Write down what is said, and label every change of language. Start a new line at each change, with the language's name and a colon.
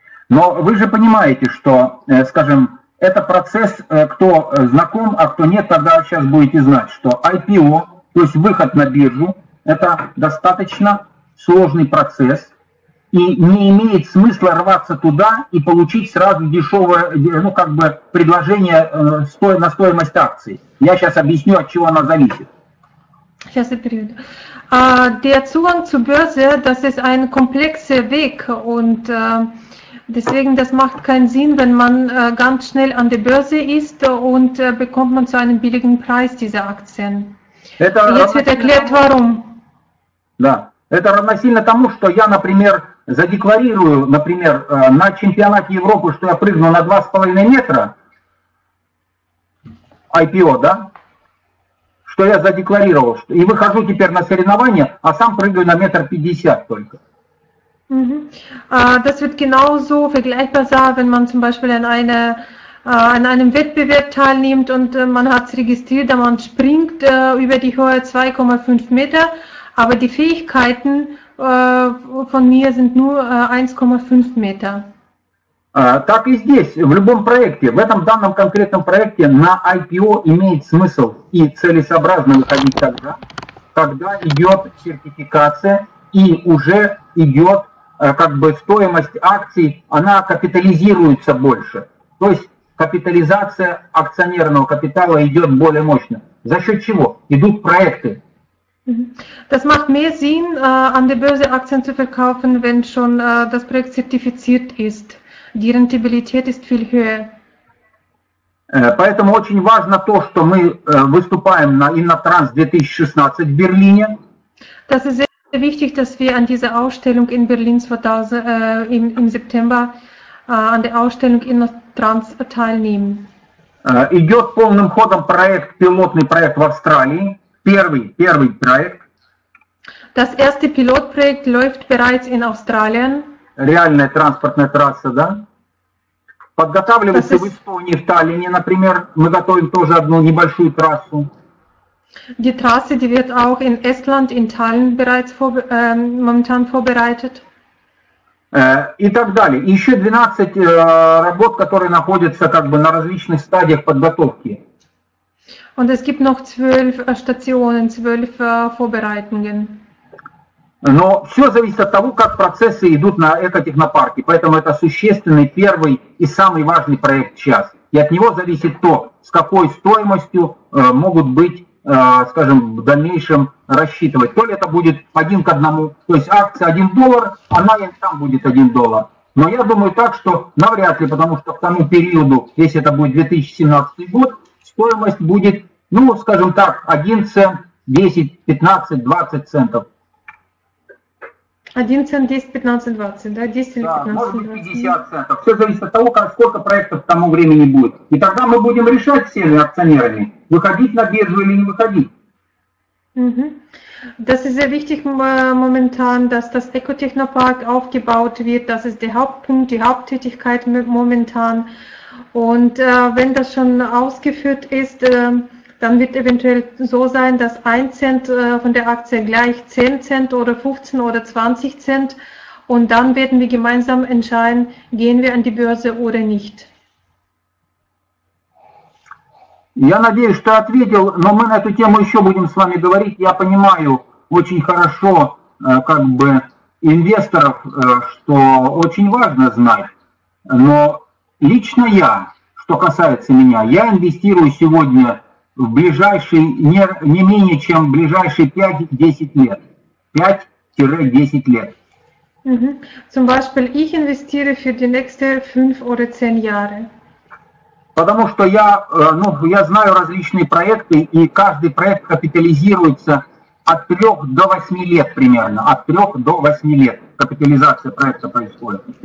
Russian: Но вы же понимаете, что, скажем, это процесс, кто знаком, а кто нет, тогда сейчас будете знать, что IPO, то есть выход на биржу, это достаточно сложный процесс, и не имеет смысла рваться туда и получить сразу дешевое, ну как бы предложение на стоимость акций. Я сейчас объясню, от чего она зависит. Сейчас я переведу.
German: Der Zugang zur Börse, das ist ein komplexer Weg und deswegen, das macht keinen Sinn, wenn man ganz schnell an der Börse ist und bekommt man zu einem billigen Preis diese Aktien.
Russian: Это
German: jetzt wird erklärt, warum.
Russian: Да, это равносильно тому, что я, например, задекларирую, например, на чемпионате Европы, что я прыгну на 2,5 метра, IPO, да, что я задекларировал, что, и выхожу теперь на соревнования, а сам прыгаю на 1,50 м только.
German: Das wird genauso vergleichbar sein, wenn man zum Beispiel an einem Wettbewerb teilnimmt und man hat es registriert, man springt über die Höhe 2,5 Meter, aber die Fähigkeiten von mir sind nur 1,5 Meter.
Russian: Так и здесь, в любом проекте, в этом данном конкретном проекте на IPO имеет смысл и целесообразно выходить тогда, когда идет сертификация и уже идет, как бы стоимость акций, она капитализируется больше. То есть капитализация акционерного капитала идет более мощно. За счет чего? Идут проекты.
German: Das macht mehr Sinn, an der Börse Aktien zu verkaufen, wenn schon das Projekt zertifiziert ist. Die Rentabilität ist viel höher.
Russian: Поэтому очень важно то, что мы выступаем на Innotrans 2016 в Берлине.
German: Das ist sehr wichtig, dass wir an dieser Ausstellung in Berlin 2000, im September an der Ausstellung Innotrans teilnehmen.
Russian: Идет полным ходом проект, пилотный проект в Австралии. Первый проект.
German: Das erste Pilotprojekt läuft bereits in Australien.
Russian: Реальная транспортная трасса, да? Подготавливается в Эстонии, в Таллине, например. Мы готовим тоже одну небольшую трассу.
German: Die Trasse, die wird auch in Estland, in Tallinn bereits momentan vorbereitet.
Russian: И так далее. Еще 12 работ, которые находятся как бы на различных стадиях подготовки.
German: Und es gibt noch 12 Stationen, 12 Vorbereitungen.
Russian: Но все зависит от того, как процессы идут на экотехнопарке. Поэтому это существенный первый и самый важный проект сейчас. И от него зависит то, с какой стоимостью могут быть, скажем, в дальнейшем рассчитывать. То ли это будет один к одному, то есть акция 1 доллар, а найм там будет 1 доллар. Но я думаю так, что навряд ли, потому что к тому периоду, если это будет 2017 год, стоимость будет, ну, скажем так, 1 цент, 10, 15, 20 центов. 1 цент, 10, 15, 20, да? 10 или 15, 20. Может быть 50 центов. Все зависит от того, сколько проектов к тому времени будет. И тогда мы будем решать всеми акционерами, выходить на биржу или не выходить.
German: Das ist sehr wichtig momentan, dass das Ecotechnopark aufgebaut wird. Das ist der Hauptpunkt, die Haupttätigkeit momentan. Und wenn das schon ausgeführt ist, dann wird eventuell so sein, dass 1 Cent von der Aktie gleich 10 Cent oder 15 oder 20 Cent. Und dann werden wir gemeinsam entscheiden, gehen wir an die Börse oder nicht.
Russian: Я надеюсь, что ответил, но мы на эту тему еще будем с вами говорить. Я понимаю очень хорошо, как бы, инвесторов, что очень важно знать, но... Лично я, что касается меня, я инвестирую сегодня в ближайшие, не менее чем в ближайшие 5-10 лет. 5-10 лет.
German: Zum Beispiel, ich investiere für die nächsten 5 oder 10 Jahre.
Russian: Потому что я, ну, я знаю различные проекты, и каждый проект капитализируется от 3 до 8 лет примерно. От 3 до 8 лет капитализация проекта происходит.